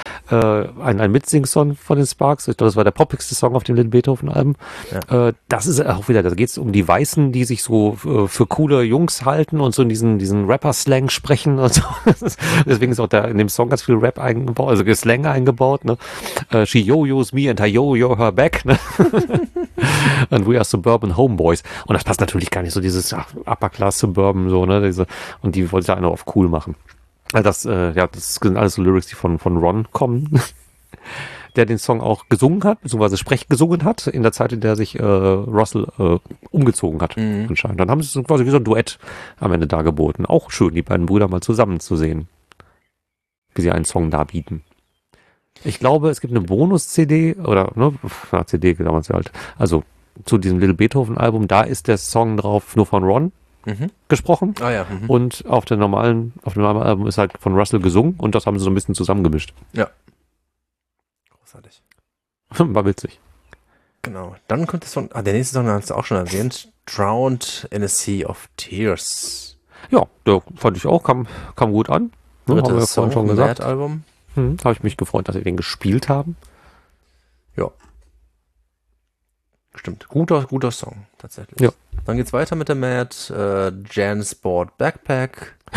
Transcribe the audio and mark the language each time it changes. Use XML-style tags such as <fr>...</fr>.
<de>Ein Mitsing-Song von den Sparks, ich glaube, das war der poppigste Song auf dem Little Beethoven-Album. Ja. Das ist auch wieder, da geht es um die Weißen, die sich so für coole Jungs halten und so in diesen Rapper-Slang sprechen und so. Deswegen ist auch da in dem Song ganz viel Rap eingebaut, also Slang eingebaut. Ne?</de> <en>She yo-yos me and I yo-yo her back. Ne? And we are suburban homeboys.</en> <de>Und das passt natürlich gar nicht, so dieses Upper-Class-Suburban, so, ne? Und die wollte da einer auf cool machen. Das sind alles so Lyrics, die von Ron kommen, der den Song auch gesungen hat, beziehungsweise sprechgesungen hat, in der Zeit, in der sich Russell umgezogen hat, anscheinend. Dann haben sie so quasi wie so ein Duett am Ende dargeboten. Auch schön, die beiden Brüder mal zusammen zu sehen, wie sie einen Song darbieten. Ich glaube, es gibt eine Bonus-CD, oder, ne, CD, genau, was halt, also zu diesem Little Beethoven-Album, da ist der Song drauf nur von Ron. Mhm. Gesprochen. Ah, ja. Mhm. Und auf dem normalen Album ist halt von Russell gesungen und das haben sie so ein bisschen zusammengemischt. Ja. Großartig. War witzig. Genau. Dann kommt der Song, der nächste Song hast du auch schon erwähnt. Drowned in a Sea of Tears. Ja, der fand ich auch, kam gut an. Dritte haben wir Song, schon gesagt. Album. Habe ich mich gefreut, dass sie den gespielt haben. Ja. Stimmt. Guter Song, tatsächlich. Ja. Dann geht's weiter mit der Matt. Jan's Board Backpack.</de>